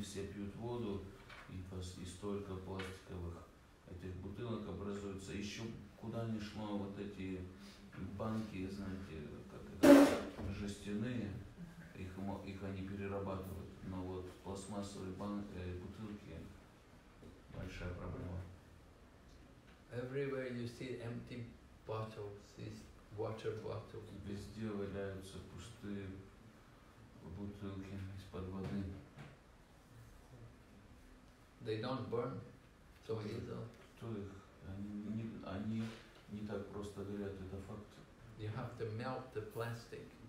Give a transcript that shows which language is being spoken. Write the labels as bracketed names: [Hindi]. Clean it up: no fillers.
[Russian] Все пьют воду, и столько пластиковых этих бутылок образуется. Еще куда ни шло, вот эти банки, знаете, как это, жестяные, их они перерабатывают. Но вот пластмассовые бутылки – большая проблема. [English] Everywhere you see empty bottles, these water bottles. [Russian] Везде валяются пустые бутылки из-под воды. [English] They don't burn so easily. [Russian] Кто их? Они не так просто горят, это факт. [English] You have to melt the plastic.